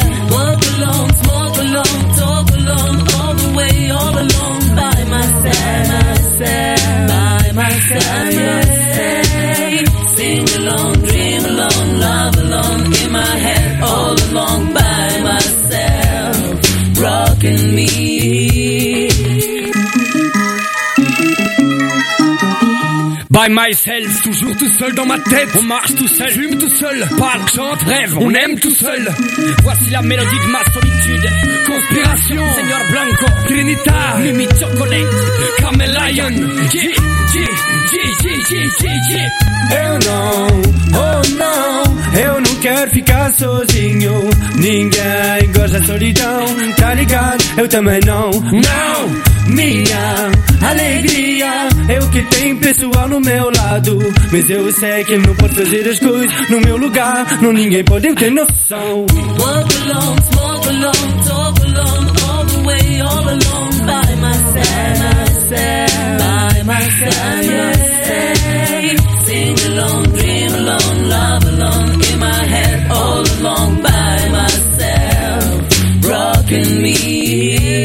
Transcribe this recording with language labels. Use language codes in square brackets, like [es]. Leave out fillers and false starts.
[en] Walk along, walk along, talk along, all the way, all along, by myself, by myself, by myself. Sing along, dream along, love along, in my head, all along, by myself, rocking me. By myself, [fr] toujours tout seul dans ma tête. On marche tout seul, fume tout seul, parle, chante, rêve, on aime tout seul. Voici la mélodie de ma solitude. Conspiration, Señor Blanco, Trinita, Mimi Chocolate, Camelion. G, G, G, G, G, G, G. [pt] Eu não, oh não, eu não quero ficar sozinho. Ninguém gosta de solidão, tá ligado? Eu também não, não. Minha alegria, eu que tenho pessoal no meu lado. Mas eu sei que não posso fazer as coisas no meu lugar. Não, ninguém pode ter noção. [en] Walk along, walk along, talk along, all the way, all along, by myself, by myself, by myself, by myself. Sing along, dream along, love along, in my head, all along, by myself, rocking me.